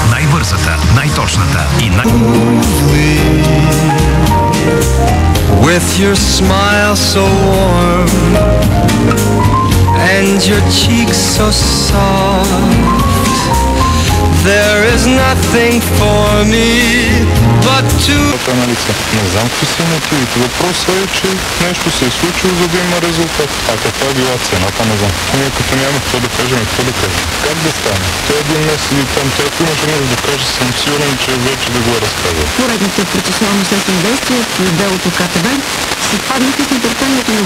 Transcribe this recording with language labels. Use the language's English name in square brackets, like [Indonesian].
[Bulgarian] Най-бързата, най-точната и най- [English] With your smile so warm and your cheeks so soft, there is nothing for me. [Bulgarian] Това е на лица. Не знам какви са мотивите. Въпросът е, че нещо се е случило, за да има резултат. А каква е била цената, не знам. Ние като нямаме какво да кажем, какво да кажем. Как да стане? Той един месец и там, тя ако имаше нещо да каже, съм сигурен, че вече да го разказва. Поредните процесуални следствени действия по делото КТБ се паднаха с нетърпението на...